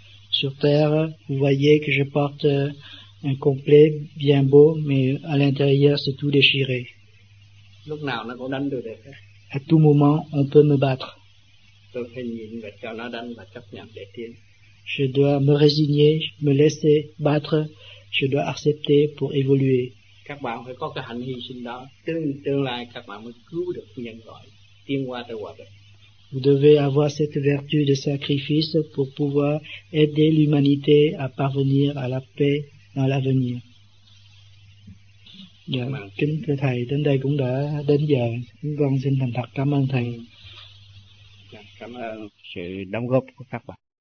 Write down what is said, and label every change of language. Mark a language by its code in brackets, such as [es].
[fr] Sur terre, vous voyez que je porte un complet bien beau, mais à l'intérieur, c'est tout déchiré. À tout moment, on peut me battre. Je dois me résigner, me laisser battre, je dois accepter pour évoluer. [vi] Các bạn phải có cái hạnh hy sinh đó, tương lai các bạn mới cứu được nhân loại tiến qua tới hòa bình. [fr] Vous devez avoir cette vertu de sacrifice pour pouvoir aider l'humanité à parvenir à la paix dans l'avenir. [vi] Dạ, kính thưa thầy, đến đây cũng đã đến giờ, con xin thành thật cảm ơn thầy. Cảm ơn sự đóng góp của các bạn.